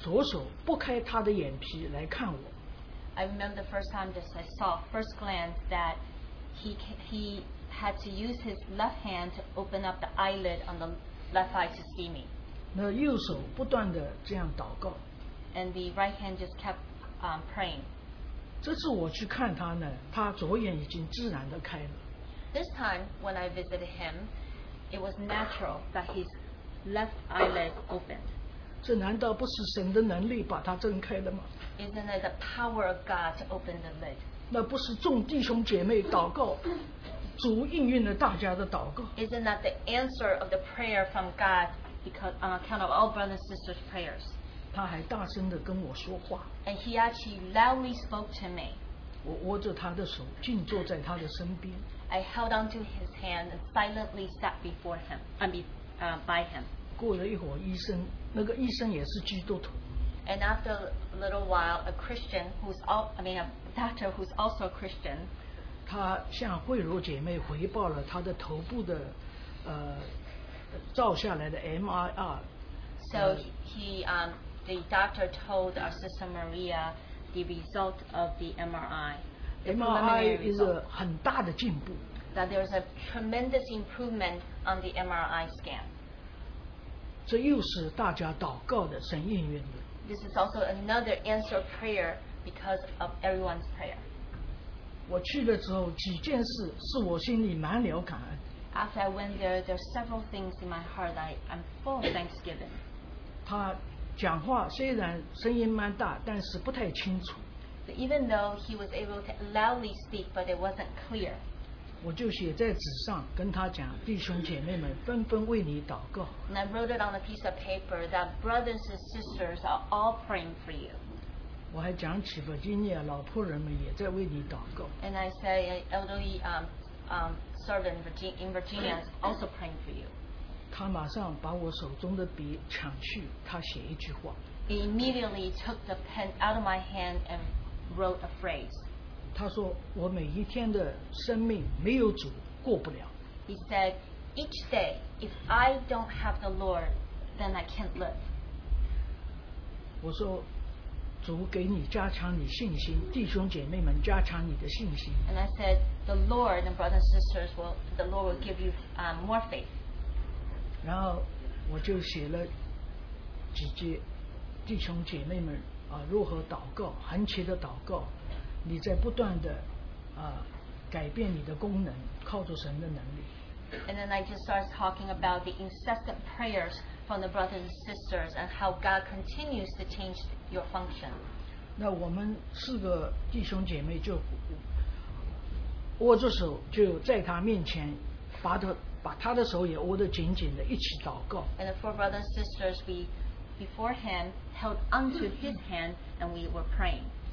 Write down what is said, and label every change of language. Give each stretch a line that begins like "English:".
Chinese: 我清晰的第一次看见他的时候，他拿那个左手拨开他的眼皮来看我。
English: I remember the first time that I saw first glance that he had to use his left hand to open up the eyelid on the left eye to see me.
Chinese: 那右手不断地这样祷告,
English: and the right hand just kept praying.
Chinese: 这次我去看他呢, 他左眼已经自然地开了。
English: This time, when I visited him, it was natural that his left eyelid opened.
Chinese: 这难道不是神的能力把他睁开的吗?
English: Isn't it the power of God to open the lid?
Chinese: 那不是众弟兄姐妹祷告, 主应允了大家的祷告。
English: Isn't that the answer of the prayer from God? Because on account of all brothers and sisters' prayers.
Chinese: 他还大声地跟我说话,
English: and he actually loudly spoke to me.
Chinese: 我握着他的手,静坐在他的身边,
English: I held onto his hand and silently sat before him and by him.
Chinese: 过了一会儿,医生, 那个医生也是基督徒,
English: and after a little while, a doctor who's also a Christian,
Chinese: 他向慧茹姐妹回报了他的头部的 照下来的 MRI.
English: So the doctor told our sister Maria the result of the MRI. MRI is a
Chinese: 很大的进步.
English: That there's a tremendous improvement on the MRI scan.
Chinese: 这又是大家祷告的神应允的.
English: This is also another answer prayer because of everyone's prayer.
Chinese: 我去了之后，几件事是我心里满了感恩.
English: After I went there, there are several things in my heart that I'm full of thanksgiving.
Chinese: 他讲话虽然声音蛮大,
English: even though he was able to loudly speak, but it wasn't clear.
Chinese: 我就写在纸上跟他讲，弟兄姐妹们纷纷为你祷告。
English: And I wrote it on a piece of paper that brothers and sisters are all praying for you.
Chinese: 我还讲起 Virginia 老婆人们也在为你祷告。
English: And I say, elderly servant in Virginia is also praying for you.
Chinese: 他马上把我手中的笔抢去，他写一句话。
English: He immediately took the pen out of my hand and wrote a phrase.
Chinese: 他说，我每一天的生命没有主过不了。
English: He said, each day, if I don't have the Lord, then I can't live.
Chinese: 我说， 主给你加强你信心，弟兄姐妹们加强你的信心。
English: And I said, the Lord and brothers and sisters will, the Lord will give you more faith.
Chinese: 然后我就写了几句，弟兄姐妹们如何祷告，恒切的祷告，你在不断的改变你的功能，靠着神的能力。
English: And then I just started talking about the incessant prayers from the brothers and sisters and how God continues to change your function.
Chinese: 那我们四个弟兄姐妹就握着手，就在他面前，把他的手也握得紧紧的，一起祷告。
English: And the four brothers and sisters, we beforehand held onto his hand and we were praying.